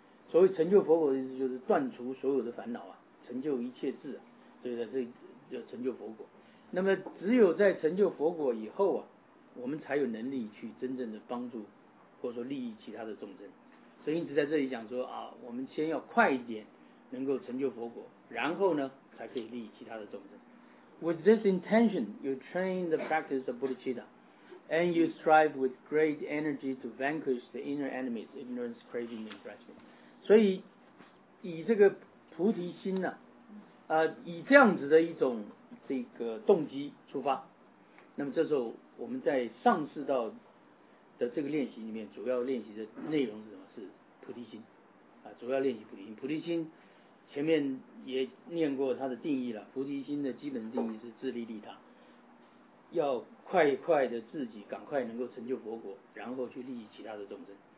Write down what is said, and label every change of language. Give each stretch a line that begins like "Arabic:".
Chinese: 所谓成就佛果的意思，就是断除所有的烦恼啊，成就一切智啊，所以在这叫成就佛果。那么只有在成就佛果以后啊，我们才有能力去真正的帮助或者说利益其他的众生。所以因此在这里讲说啊，我们先要快一点能够成就佛果，然后呢才可以利益其他的众生。
English: With this intention, you train the practice of bodhicitta, and you strive with great energy to vanquish the inner enemies, ignorance, craving, and grasping.
Chinese: 所以以这个菩提心呢、啊，以这样子的一种这个动机出发，那么这时候我们在上士道的这个练习里面，主要练习的内容是什么？是菩提心啊，主要练习菩提心。菩提心前面也念过它的定义了，菩提心的基本定义是自利利他，要快快的自己赶快能够成就佛果，然后去利益其他的众生。